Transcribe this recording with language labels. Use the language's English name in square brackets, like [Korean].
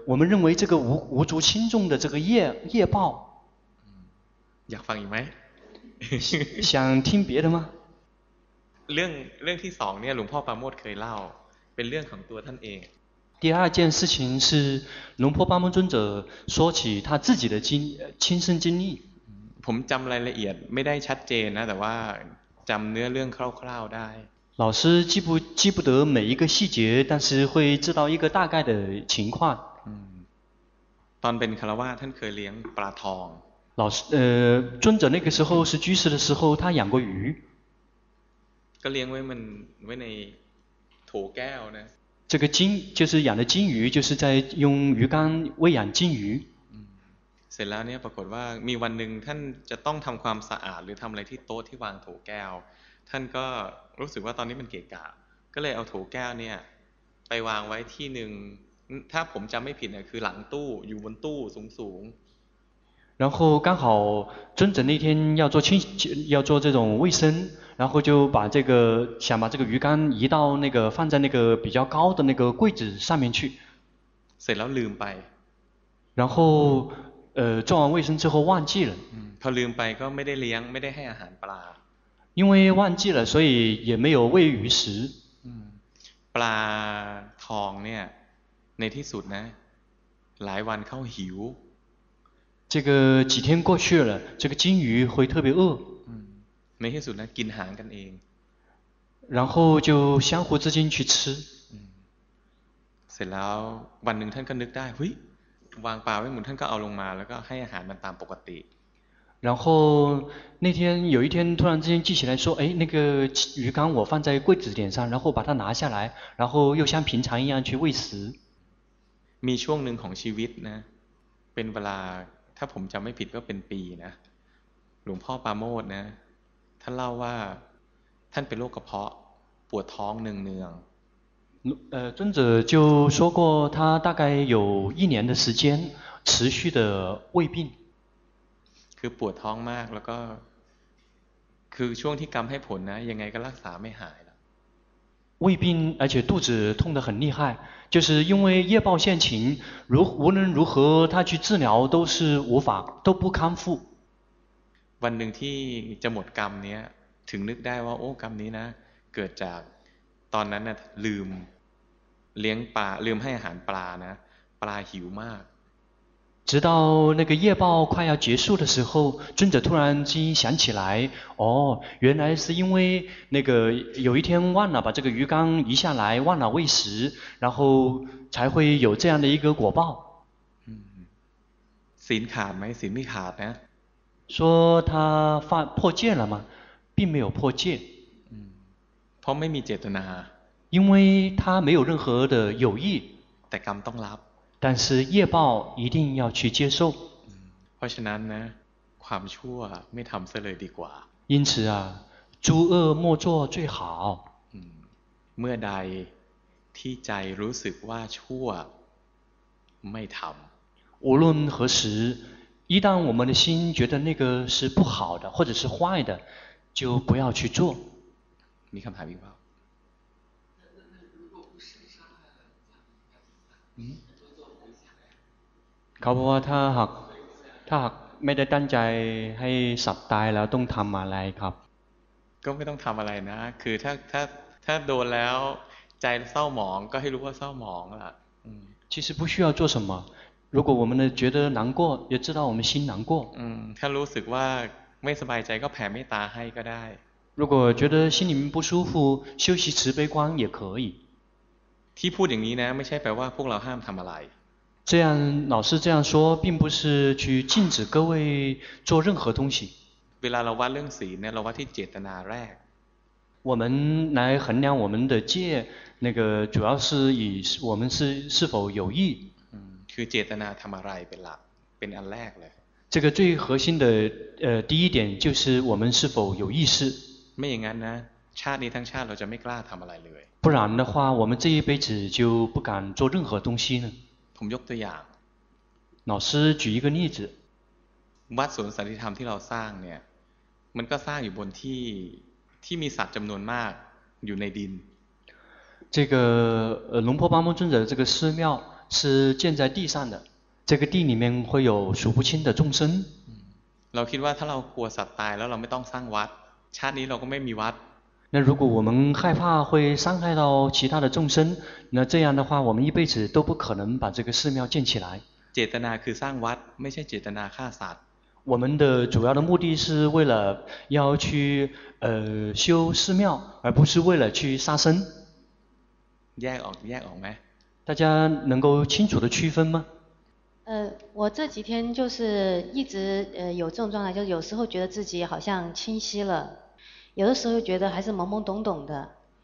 [Chinese] 这个就是一个实例我们认为这个 无足轻重的这个业报要放一枚想听别的吗 [Thai] เรื่องที่สองเนี่ยหลวงพ่อปาโมทย์เคยเล่าเป็นเรื่องของตัวท่านเอง [Chinese] 第二件事情是龙婆巴木尊者说起他自己的亲身经历 [Thai] ผมจำรายละเอียดไม่ได้ชัดเจนนะแต่ว่าจำเนื้อเรื่องคร่าวๆได้ [Chinese] 老师记不得每一个细节但是会知道一个大概的情况 [Thai] ตอนเป็นคารวะท่านเคยเลี้ยงปลาทอง [Chinese] 老师尊者那个时候是居士的时候他养过鱼 [Thai] ก็เลี้ยงไว้มันไว้ในโถแก้วนะ [Chinese] 这个金就是养的金鱼就是在用鱼缸喂养金鱼 [Thai] เสร็จแล้วเนี่ยปรากฏว่ามีวันหนึ่งท่านจะต้องทำความสะอาดหรือทำอะไรที่โต๊ะที่วางโถแก้วท่านก็รู้สึกว่าตอนนี้มันเกะกะก็เลยเอาโถแก้วเนี่ยไปวางไว้ที่หนึ่งถ้าผมจำไม่ผิดนะคือหลังตู้อยู่บนตู้สูง [Chinese] 然后刚好尊者那天要做这种卫生，然后就把这个想把这个鱼缸移到那个放在那个比较高的那个柜子上面去。 [Thai] เสร็จแล้วลืมไป。 [Chinese] 然后做完卫生之后忘记了。 [Thai] พอลืมไปก็ไม่ได้เลี้ยงไม่ได้ให้อาหารปลา。 [Chinese] 因为忘记了，所以也没有喂鱼食。 [Thai] ปลาทองเนี่ยในที่สุดนะหลายวันเข้าหิว。 [Chinese] 这个几天过去了，这个金鱼会特别饿。没事，那 [Thai] กินหางกันเอง。 [Chinese] 然后就相互之间去吃。 [Thai] เสร็จแล้ววันหนึ่งท่านก็นึกได้เฮ้ยวางปลาไว้หมุนท่านก็เอาลงมาแล้วก็ให้อาหารมันตามปกติ [Chinese] 然后那天有一天突然之间记起来说哎那个鱼缸我放在柜子点上然后把它拿下来然后又像平常一样去喂食 [Thai] มีช่วงหนึ่งของชีวิตนะเป็นเวลาถ้าผมจำไม่ผิดก็เป็นปีนะหลวงพ่อปาโมทนะท่านเล่าว่าท่านเป็นโรคกระเพาะปวดท้องเนือง [Chinese] 尊者就说过他大概有一年的时间持续的胃病 [Thai] คือปวดท้องมากแล้วก็คือช่วงที่กรรมให้ผลนะยังไงก็รักษาไม่หายแล้ [Chinese] ว胃病而且肚子痛得很厉害就是因为业报现情如无论如何他去治疗都是无法都不康复 [Thai] วันหนึ่งที่จะหมดกรรมเนี้ยถึงนึกได้ว่าโอ้กรรมนี้นะเกิดจากตอนนั้นน่ะลืมเลี้ยงปลาลืมให้อาหารปลานะปลาหิวมาก [Chinese] 直到那个业报快要结束的时候尊者突然间想起来哦原来是因为那个有一天忘了把这个鱼缸移下来忘了喂食然后才会有这样的一个果报 [Thai] ศีลขาดไหมศีลไม่ขาดนะ [Chinese] 说他犯破戒了吗并没有破戒 [Thai] เพราะไม่มีเจตนา [Chinese] 因为他没有任何的有意 [Thai] แต่กรรมต้องรับ [Chinese] 但是业报一定要去接受 [Thai] เพราะฉะนั้นนะความชั่วไม่ทำซะเลยดีกว่า [Chinese] 因此啊诸恶莫做最好 [Thai] เมื่อใดที่ใจรู้สึกว่าชั่วไม่ทำ [Chinese] 无论何时一旦我们的心觉得那个是不好的或者是坏的就不要去做 [Thai] มีคำถามอีกเ ปล่าเขาบอกว่าถ้าหากไม่ได้ตั้งใจให้สับตายแล้วต้องทำอะไรครับ ก็ไม่ต้องทำอะไรนะคือถ้าโดนแล้วใจเศร้าหมองก็ให้รู้ว่าเศร้าหมองล่ะ [Chinese] 其实不需要做什么如果我们呢觉得难过也知道我们心难过 [Thai] ถ้ารู้สึกว่าไม่สบายใจก็แผ่เมตตาให้ก็ได้ [Chinese] 如果觉得心里面不舒服休息慈悲观也可以 [Thai] ที่พูดอย่างนี้นะไม่ใช่แปลว่าพวกเราห้ามทำอะไร [Chinese] 这样老师这样说并不是去禁止各位做任何东西 [Thai] เวลาเราวัดเรื่องศีลเนี่ยเราวัดที่เจตนาแรก [Chinese] 我们来衡量我们的戒那个主要是以我们是否有意 [Thai] คือเจตนาทำอะไรเป็นหลักเป็นอันแรกเลย [Chinese] 这个最核心的第一点就是我们是否有意识 [Thai] ไม่อย่างนั้นนะชาตินี้ทั้งชาติเราจะไม่กล้าทำอะไรเลย [Chinese] 不然的话我们这一辈子就不敢做任何东西呢 [Thai] ผมยกตัวอย่าง [Chinese] 老师举一个例子 [Thai] วัดสวนสันติธรรมที่เราสร้างเนี่ยมันก็สร้างอยู่บนที่มีสัตว์จำนวนมากอยู่ในดิน [Chinese] 这个龙婆巴木尊者的这个寺庙是建在地上的这个地里面会有数不清的众生 [Thai] เราคิดว่าถ้าเรากลัวสัตว์ตายแล้วเราไม่ต้องสร้างวัดชาตินี้เราก็ไม่มีวัด [Chinese] 那如果我们害怕会伤害到其他的众生那这样的话我们一辈子都不可能把这个寺庙建起来 [Thai] เจตนาคือสร้างวัดไม่ใช่เจตนาฆ่าสัตว์ [Chinese] 我们的主要的目的是为了要去修寺庙而不是为了去杀生 [Thai] แยกออกไหม [Chinese] 大家能够清楚的区分吗我这几天就是一直有症状啊，就是有时候觉得自己好像清晰了，有的时候觉得还是懵懵懂懂的。